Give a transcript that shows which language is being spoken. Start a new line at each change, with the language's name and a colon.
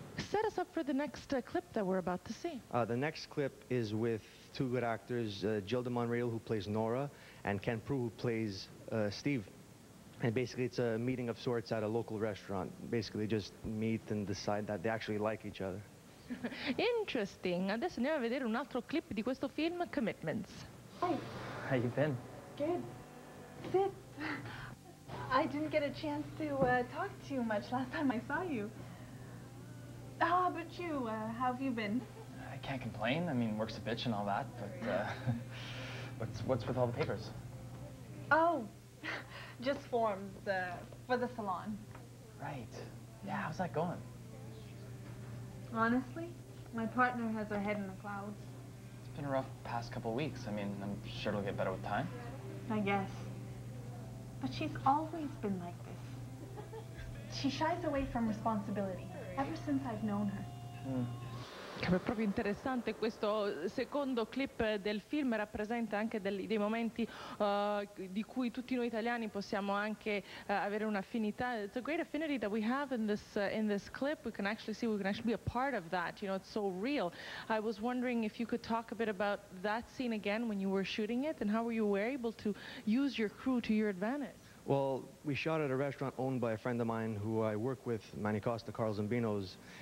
English: Set us up for the next clip that we're about to see. The next clip is with two good actors, Jill de Monreal, who plays Nora, and Ken Proulx, who plays Steve. And basically, it's a meeting of sorts at a local restaurant. Basically, just meet and decide that they actually like each other. Interesting.
Italian: Adesso andiamo a vedere un altro clip di questo film, Commitments.
English: Hi. How you been? Good. Sit. I didn't get a chance to talk to you much last time I saw you. How about you? How have you been? I can't complain. I mean, work's a bitch and all that, but what's with all the papers? Oh. Just forms for the salon. Right. Yeah, how's that going? Honestly, my partner has her head in the clouds. It's been a rough past couple weeks. I mean, I'm sure it'll get better with time. I guess. But she's always been like this. She shies away from responsibility ever since I've known her. Mm.
Italian: È proprio interessante questo secondo clip del film, rappresenta anche dei momenti di cui tutti noi italiani possiamo anche avere un'affinità.
English: It's a great affinity that we have in this clip. We can actually see, we can actually be a part of that, you know, it's so real. I was wondering if you could talk a bit about that scene again when you were shooting it, and how were you able to use your crew to your advantage? Well, we shot at a restaurant owned by a friend of mine who I work with, Manny Costa, Carl Zambino's.